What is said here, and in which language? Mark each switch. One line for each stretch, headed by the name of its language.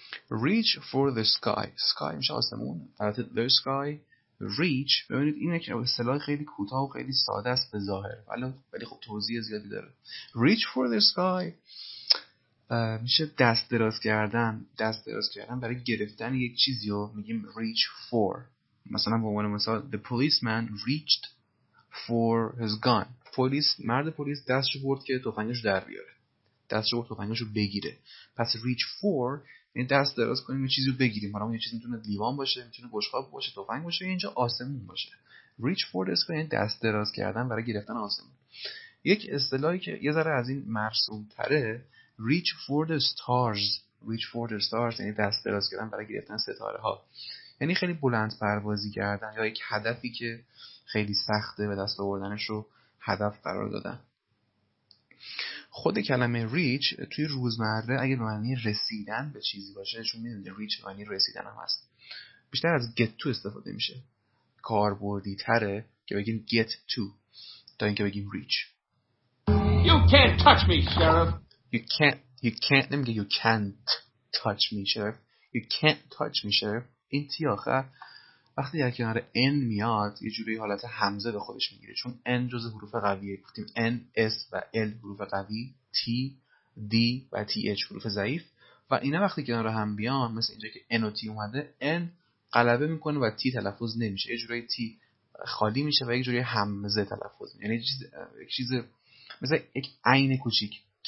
English: Reach for the sky. Sky
Persian: میشه آسمون. البته
English: the sky
Persian: ریچ ببینید این یک اصطلاح خیلی کوتاه و خیلی ساده است به ظاهر، ولی خب توضیح زیادی داره.
English: reach for the sky
Persian: میشه دست دراز کردن، دست دراز کردن برای گرفتن یک چیزی رو میگیم ریچ فور. مثلا به عنوان مثال
English: the policeman reached for his gun.
Persian: پلیس، مرد پلیس دستش برد که تفنگش در بیاره، دستش برد تفنگش رو بگیره. پس reach for یعنی دست دراز کنیم یه چیزی رو بگیریم، حالا اون یه چیزی میتونه لیوان باشه، میتونه بشقاب باشه، تفنگ باشه، اینجا آسمون باشه.
English: reach for the sky
Persian: یعنی دست دراز کردن برای گرفتن آسمون. یک اصطلاحی که یه ذره از این مرسوم تره
English: reach for the stars. reach for the stars
Persian: یعنی دست دراز کردن برای گرفتن ستاره ها، یعنی خیلی بلند پروازی کردن یا یک هدفی که خیلی سخته به دست آوردنش رو هدف قرار دادن. خود کلمه ریچ توی روزمره اگر به معنی رسیدن به چیزی باشه، چون میدونید ریچ معنی رسیدن هم هست، بیشتر از get to استفاده میشه، کاربردی تره که بگیم get to تا اینکه بگیم ریچ.
English: You can't touch me, sheriff. You can't
Persian: نمیگه
English: you can't touch me, sheriff. You can't touch me, sheriff.
Persian: این تی آخر وقتی در کنار ان میاد یه جوری حالت همزه به خودش میگیره، چون ان جز حروف قویه، گفتیم ان، اس و ال حروف قوی، تی، دی و تی اچ حروف ضعیف، و اینا وقتی کنار هم بیان مثل اینجا که ان و تی اومده، ان غلبه میکنه و تی تلفظ نمیشه، یه جوری تی خالی میشه و یه جوری همزه تلفظ میشه، یعنی یک چیز مثل یک عین کوچیک.